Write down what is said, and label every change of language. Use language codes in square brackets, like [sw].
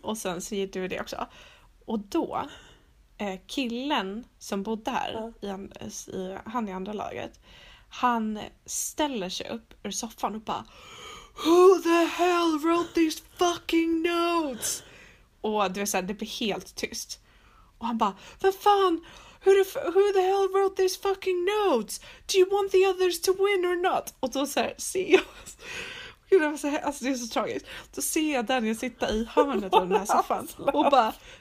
[sv] Och sen så gjorde vi det också. Och då, killen som bodde här, han i andra laget, han ställer sig upp ur soffan och bara, [en] who the hell wrote these fucking notes? [sv] Och du vet, så här, det blir helt tyst. Och han bara, vad fan? [en] Who the hell wrote these fucking notes? Do you want the others to win or not? [sv] Och då så här, ser jag... Gud, alltså, det är så tragiskt. Då ser jag Daniel sitta i hörnet av den här soffan. Och bara...